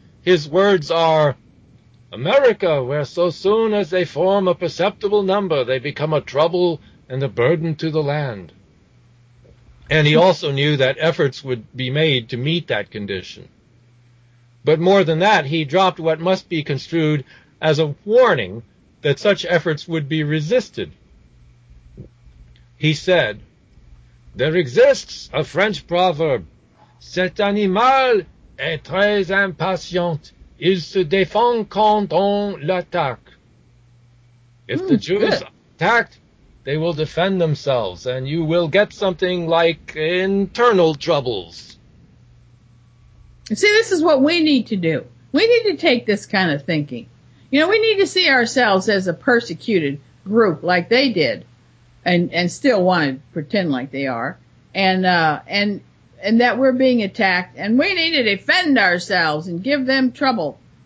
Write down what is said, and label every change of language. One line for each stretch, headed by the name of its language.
English: His words are, America, where so soon as they form a perceptible number, they become a trouble and a burden to the land. And he also knew that efforts would be made to meet that condition. But more than that, he dropped what must be construed as a warning that such efforts would be resisted. He said, there exists a French proverb,
French: cet animal est très impatient, il se défend quand on l'attaque.
English: If the Jews attacked, they will defend themselves, and you will get something like internal troubles. See, this is what we need to do. We need to take this kind of thinking. You know, we need to see ourselves as a persecuted group like they did and still want to pretend like they are, and that we're being attacked, and we need to defend ourselves and give them trouble.